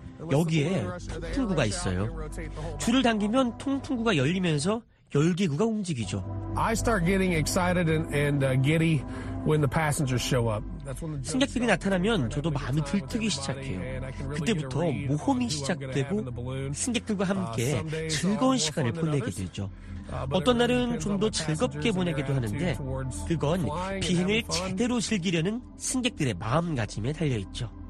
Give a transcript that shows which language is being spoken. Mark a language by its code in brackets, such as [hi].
[ko] 여기에 통풍구가 있어요. 줄을 당기면 통풍구가 열리면서 열기구가 움직이죠. [en] I start getting excited and giddy when the passengers show up. [ko] 승객들이 나타나면 저도 마음이 들뜨기 시작해요. 그때부터 모험이 시작되고 승객들과 함께 즐거운 시간을 보내게 되죠. 어떤 날은 좀 더 즐겁게 보내기도 하는데 그건 비행을 제대로 즐기려는 승객들의 마음가짐에 달려있죠.